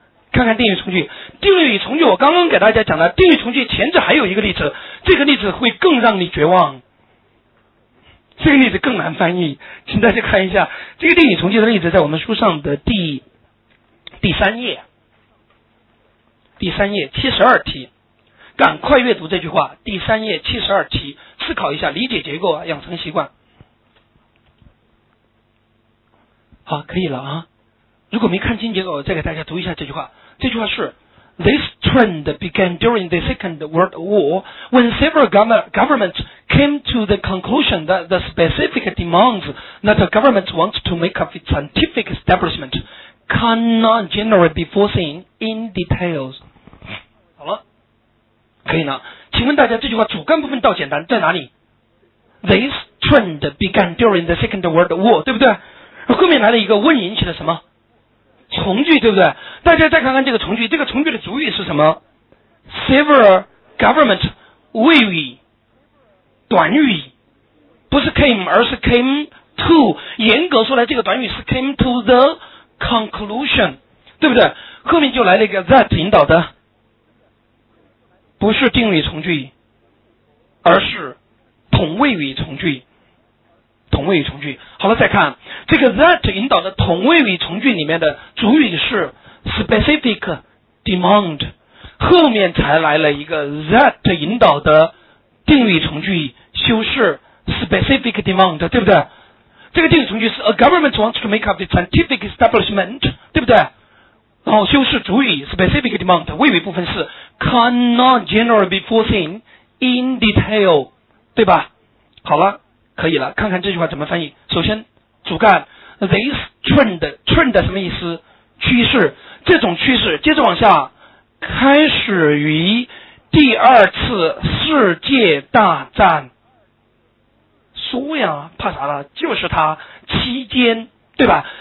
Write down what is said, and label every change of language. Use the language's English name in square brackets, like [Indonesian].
[Chinese] 看看定语从句，定语从句我刚刚给大家讲了，定语从句前者还有一个例子，这个例子会更让你绝望，这个例子更难翻译，请大家看一下，这个定语从句的例子在我们书上的第三页，第三页72题。赶快阅读这句话，第三页72题，思考一下，理解结构，养成习惯。好，可以了啊。如果没看清结构，再给大家读一下这句话。这句话是 [English] This trend began during the Second World War when several governments came to the conclusion that the specific demands that a government wants to make of its scientific establishment cannot generally be foreseen in details。 [Chinese] 可以呢，请问大家这句话主干部分倒简单在哪里？ [English] This trend began during the Second World War， [Chinese] 对不对？后面来了一个问引起了什么？从句，对不对？大家再看看这个从句，这个从句的主语是什么？Civil government 谓语，短语，不是 came 而是 came to， 严格说来这个短语是 [English] came to the conclusion， [Chinese] 对不对？后面就来了一个 that 引导的，不是定语从句，而是同位语从句，同位语从句。好了，再看这个 that 引导的同位语从句里面的主语是 specific demand， 后面才来了一个 that 引导的定语从句修饰 specific demand， 对不对？这个定语从句是 [English] a government wants to make up the scientific establishment， [Chinese] 对不对？然后修饰主语 specific demand， 谓语部分是 [English] cannot generally be foreseen in detail， [Chinese] 对吧？好了，可以了，看看这句话怎么翻译。首先主干 this trend 什么意思？趋势，这种趋势。接着往下，开始于第二次世界大战，输呀，怕啥了，就是它期间，对吧？